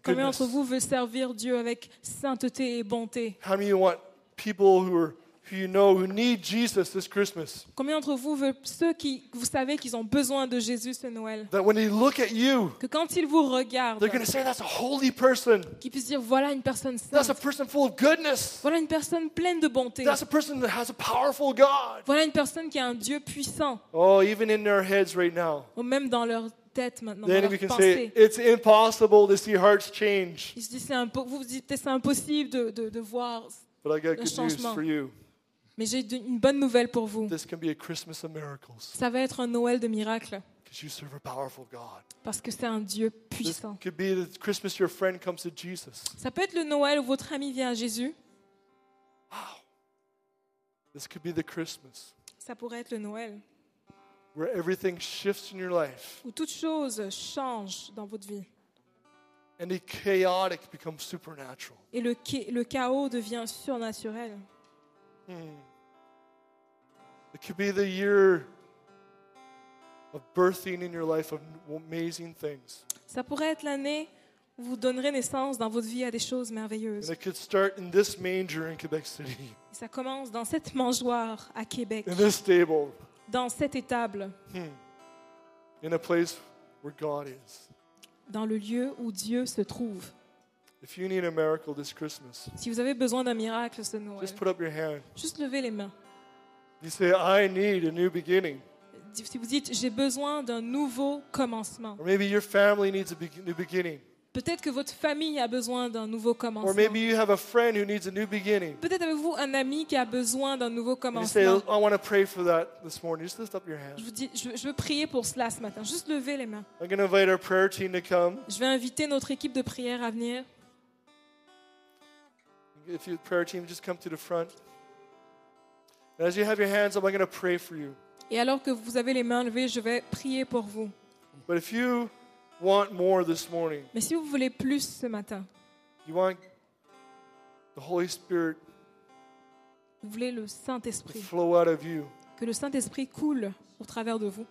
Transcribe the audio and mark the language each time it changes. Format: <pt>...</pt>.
<fr>Combien d'entre vous veut servir Dieu avec sainteté et bonté?</fr> <en>How many want people who you know who need Jesus this Christmas?</en> <fr>Combien d'entre vous veut ceux qui vous savez qu'ils ont besoin de Jésus ce Noël?</fr> <en>That when they look at you,</en> <fr>que quand ils vous regardent,</fr> <en>they're going to say that's a holy person.</en> <fr>Qu'ils puissent dire voilà une personne sainte.</fr> <en>That's a person full of goodness.</en> <fr>Voilà une personne pleine de bonté.</fr> <en>That's a person that has a powerful God.</en> <fr>Voilà une personne qui a un Dieu puissant.</fr> <en>Oh, even in their heads right now.</en> <fr>Ou même dans leur tête maintenant.</fr> <en>Then</en> <fr>dans</fr> <en>we</en> <fr>leur</fr> <en>can</en> <fr>pensée.</fr> <en>Say, it's impossible to see hearts change.</en> <fr>Ils se disent, vous vous dites, c'est impossible de voir</fr> <en>But I got</en> <fr>un</fr> <en>good</en> <fr>changement.</fr> <en>News for you.</en> <fr>Mais j'ai une bonne nouvelle pour vous.</fr> <en>This can be a Christmas of miracles.</en> <fr>Ça va être un Noël de miracles.</fr> <en>Because you serve a powerful God.</en> <fr>Parce que c'est un Dieu puissant.</fr> <en>This could be the Christmas your friend comes to Jesus.</en> <fr>Ça peut être le Noël où votre ami vient à Jésus.</fr> <en>Wow. This could be the Christmas.</en> <fr>Ça pourrait être le Noël.</fr> <en>Where everything shifts in your life.</en> <fr>Où toute chose change dans votre vie.</fr> <en>And the chaotic becomes supernatural.</en> <fr>Et le chaos devient surnaturel. Hmm.</fr> <en>It could be the year of birthing in your life of amazing things.</en> <fr>Ça pourrait être l'année où vous donnerez naissance dans votre vie à des choses merveilleuses.</fr> <en>And it could start in this manger in Quebec City.</en> <fr>Et ça commence dans cette mangeoire à Québec.</fr> <en>In this stable.</en> <fr>Dans cette étable.</fr> <en>Hmm. In a place where God is.</en> <fr>Dans le lieu où Dieu se trouve.</fr> <en>If you need a miracle this Christmas,</en> <fr>si vous avez besoin d'un miracle ce Noël,</fr> <en>just put up your hand.</en> <fr>Juste levez les mains.</fr> <en>You say, I need a new beginning.</en> <fr>Si vous dites, j'ai besoin d'un nouveau commencement.</fr> <en>Or maybe your family needs a new beginning.</en> <fr>Peut-être que votre famille a besoin d'un nouveau commencement.</fr> <en>Or maybe you have a friend who needs a new beginning.</en> <fr>Peut-être avez-vous un ami qui a besoin d'un nouveau commencement.</fr> <en>You say, I want to pray for that this morning. Just lift up your hand.</en> <fr>Je vous dis, je veux prier pour cela ce matin. Juste levez les mains.</fr> <en>I'm going to invite our prayer team to come.</en> <fr>Je vais inviter notre équipe de prière à venir.</fr> <en>If your prayer team just come to the front. And as you have your hands up, I'm going to pray for you.</en> <fr>Et alors que vous avez les mains levées, je vais prier pour vous.</fr> <en>But if you want more this morning.</en> <fr>Mais si vous voulez plus ce matin.</fr> <en>You want the Holy Spirit.</en> <fr>Vous voulez le Saint-Esprit.</fr> <en>Flow out of you.</en> <fr>Que le Saint-Esprit coule au travers de vous.</fr>